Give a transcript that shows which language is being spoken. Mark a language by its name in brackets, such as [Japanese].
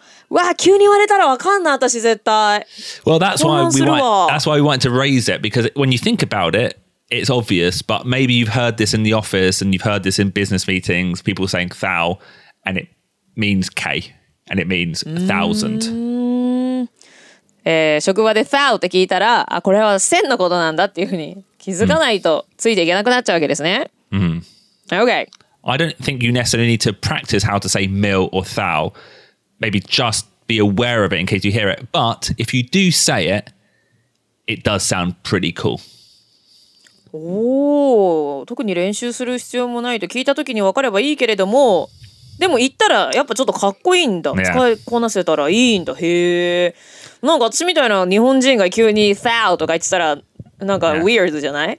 [Japanese] わあ、急に言われたらわかんない私絶対。 [English] Well, that's why we want. That's why we wanted to raise it because when you think about it, it's obvious. But maybe you've heard this in the office and you've heard this in business meetings. People saying thou, and it means k, and it means thousand. [Japanese] 職場で thou って聞いたら、あ、これは千のことなんだっていうふうに気づかないとついていけなくなっちゃうわけですね。 [English] Okay. I don't think you necessarily need to practice how to say mil or thou. Maybe just be aware of it in case you hear it. But if you do say it, it does sound pretty cool. [Japanese] おお、特に練習する必要もないと聞いたときに分かればいいけれども、でも言ったらやっぱちょっとかっこいいんだ。 [English] Yeah. [Japanese] 使いこなせたらいいんだ。へえ。なんか私みたいな日本人が急に thou とか言ってたらなんか weird じゃない、